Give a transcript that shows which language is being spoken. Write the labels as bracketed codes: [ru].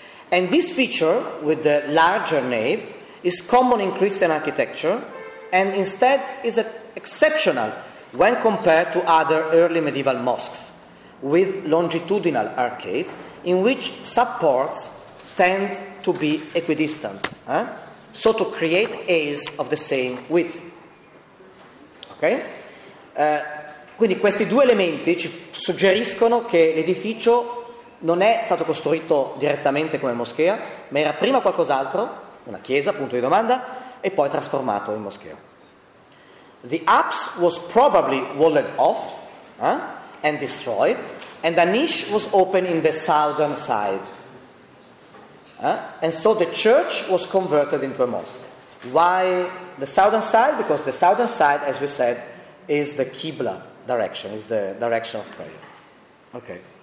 [en] And this feature with the larger nave is common in Christian architecture, and instead is exceptional when compared to other early medieval mosques with longitudinal arcades in which supports tend to be equidistant, so to create aisles of the same width. Okay? [it] Quindi questi due elementi ci suggeriscono che l'edificio non è stato costruito direttamente come moschea, ma era prima qualcos'altro, una chiesa, punto di domanda, e poi trasformato in moschea. [en] The apse was probably walled off and destroyed, and a niche was open in the southern side. And so the church was converted into a mosque. Why the southern side? Because the southern side, as we said, is the Qibla direction, is the direction of prayer. Okay.